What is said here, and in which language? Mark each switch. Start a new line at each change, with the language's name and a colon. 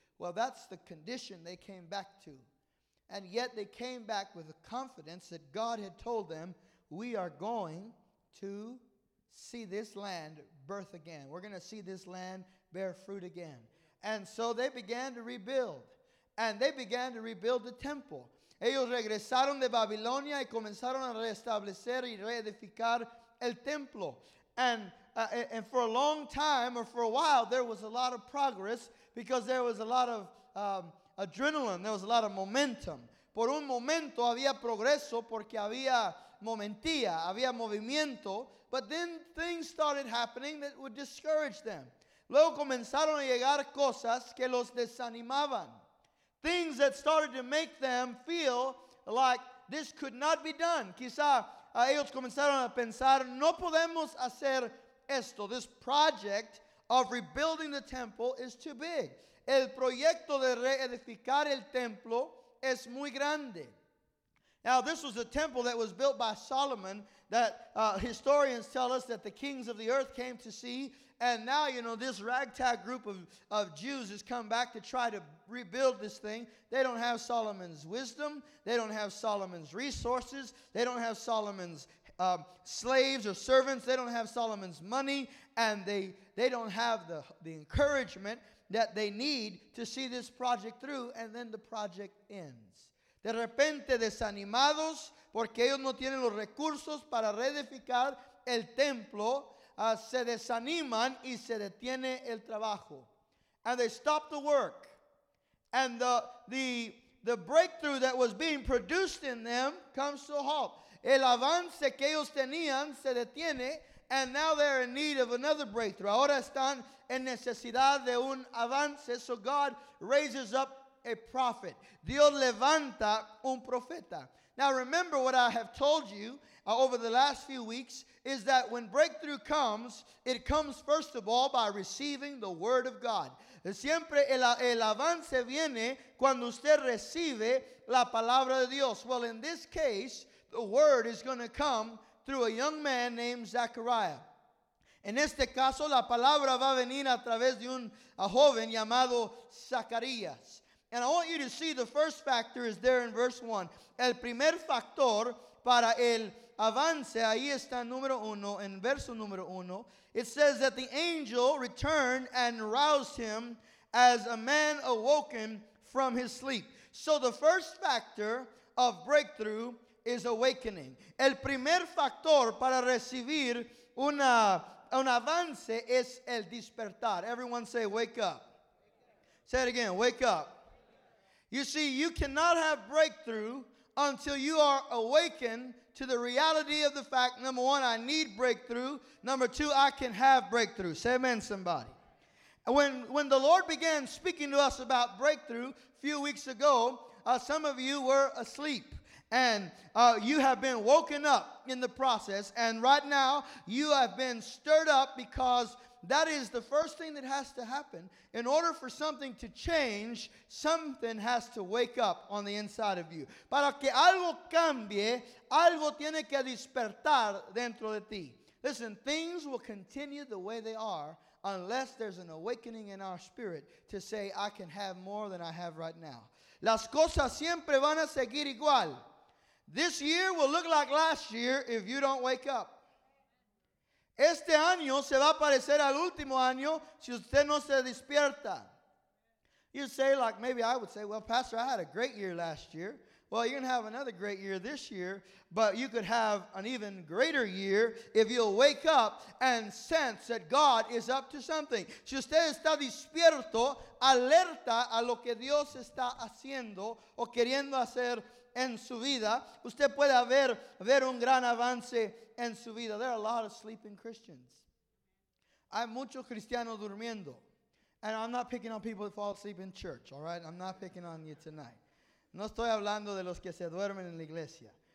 English: Well, that's the condition they came back to. And yet they came back with the confidence that God had told them, we are going to see this land birth again. We're going to see this land bear fruit again. And so they began to rebuild. And they began to rebuild the temple.
Spanish: Ellos regresaron de Babilonia y comenzaron a restablecer y reedificar el templo.
English: And for a long time, or for a while, there was a lot of progress because there was a lot of adrenaline. There was a lot of momentum.
Spanish: Por un momento había progreso porque había momentía, había movimiento,
English: but then things started happening that would discourage them.
Spanish: Luego comenzaron a llegar cosas que los desanimaban.
English: Things that started to make them feel like this could not be done.
Spanish: Quizá ellos comenzaron a pensar, no podemos hacer esto.
English: This project of rebuilding the temple is too big.
Spanish: El proyecto de reedificar el templo es muy grande.
English: Now, this was a temple that was built by Solomon that historians tell us that the kings of the earth came to see. And now, you know, this ragtag group of Jews has come back to try to rebuild this thing. They don't have Solomon's wisdom. They don't have Solomon's resources. They don't have Solomon's slaves or servants. They don't have Solomon's money. And they don't have the encouragement that they need to see this project through. And then the project ends.
Spanish: De repente desanimados porque ellos no tienen los recursos para reedificar el templo, se desaniman y se detiene el trabajo.
English: And they stop the work. And the breakthrough that was being produced in them comes to a halt.
Spanish: El avance que ellos tenían se detiene,
English: and now they're in need of another breakthrough.
Spanish: Ahora están en necesidad de un avance,
English: so God raises up a prophet.
Spanish: Dios levanta un profeta.
English: Now remember what I have told you over the last few weeks is that when breakthrough comes, it comes first of all by receiving the word of God.
Spanish: Siempre el avance viene cuando usted recibe la palabra de Dios.
English: Well, in this case, the word is going to come through a young man named Zechariah.
Spanish: En este caso, la palabra va a venir a través de un joven llamado Zacarías.
English: And I want you to see the first factor is there in verse 1.
Spanish: El primer factor para el avance, ahí está número 1, en verso número 1.
English: It says that the angel returned and roused him as a man awoken from his sleep. So the first factor of breakthrough is awakening.
Spanish: El primer factor para recibir un avance es el despertar.
English: Everyone say, wake up. Say it again, wake up. You see, you cannot have breakthrough until you are awakened to the reality of the fact, number one, I need breakthrough. Number two, I can have breakthrough. Say amen, somebody. When the Lord began speaking to us about breakthrough a few weeks ago, some of you were asleep. And you have been woken up in the process. And right now, you have been stirred up because that is the first thing that has to happen. In order for something to change, something has to wake up on the inside of you.
Spanish: Para que algo cambie, algo tiene que despertar dentro de ti.
English: Listen, things will continue the way they are unless there's an awakening in our spirit to say, I can have more than I have right now.
Spanish: Las cosas siempre van a seguir igual.
English: This year will look like last year if you don't wake up.
Spanish: Este año se va a parecer al último año si usted no se despierta.
English: You say, like maybe I would say, well, Pastor, I had a great year last year. Well, you're going to have another great year this year, but you could have an even greater year if you'll wake up and sense that God is up to something.
Spanish: Si usted está despierto, alerta a lo que Dios está haciendo o queriendo hacer en su vida, usted puede ver un gran avance en su vida.
English: There are a lot of sleeping Christians.
Spanish: Hay muchos cristianos durmiendo.
English: And I'm not picking on people that fall asleep in church, all right? I'm not picking on you tonight.
Spanish: No estoy hablando de los que se duermen en la iglesia.